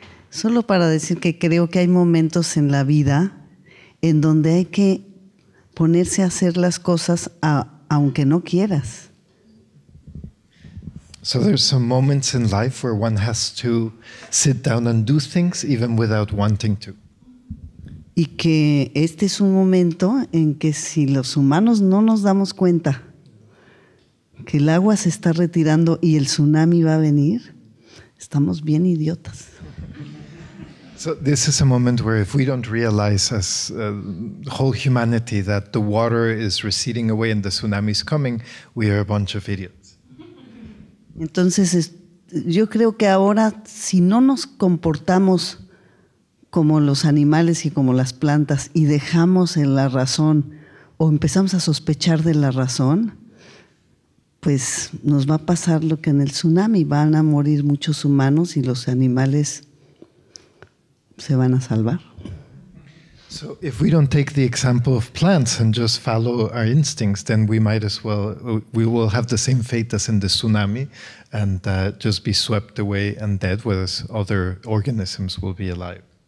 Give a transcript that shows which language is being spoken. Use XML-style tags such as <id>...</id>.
<es>Solo para decir que creo que hay momentos en la vida en donde hay que ponerse a hacer las cosas aunque no quieras.</es> <en>So there's some moments in life where one has to sit down and do things even without wanting to.</en> <es>Y que este es un momento en que si los humanos no nos damos cuenta que el agua se está retirando y el tsunami va a venir, estamos bien idiotas.</es> <en>So this is a moment where if we don't realize as whole humanity that the water is receding away and the tsunami is coming, we are a bunch of idiots.</en> <es>Entonces, yo creo que ahora, si no nos comportamos como los animales y como las plantas y dejamos en la razón o empezamos a sospechar de la razón, pues nos va a pasar lo que en el tsunami, van a morir muchos humanos y los animales se van a salvar.</es> <en>So if we don't take the example of plants and just follow our instincts, then we might as well, we will have the same fate as in the tsunami and just be swept away and dead, whereas other organisms will be alive.</en>